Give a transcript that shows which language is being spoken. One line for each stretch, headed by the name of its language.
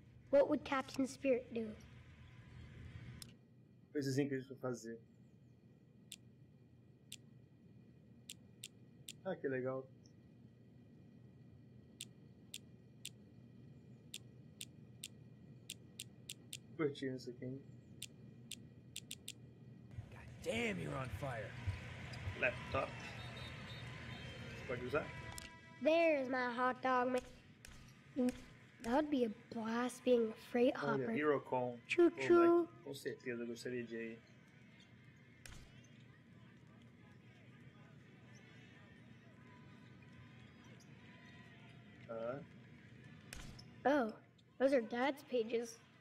English: What would Captain Spirit do?
Portuguese: Coisinha que a gente vai fazer. Ah, que legal. Curtindo isso aqui, hein?
English: Damn, you're on fire.
Portuguese: Laptop. Pode usar?
English: There's my hot dog, man. That would be a blast being a freight hopper.
Portuguese: Olha, hero cone.
English: Choo choo.
Portuguese: Com certeza, gostaria de ir.
English: Oh, those are dad's pages.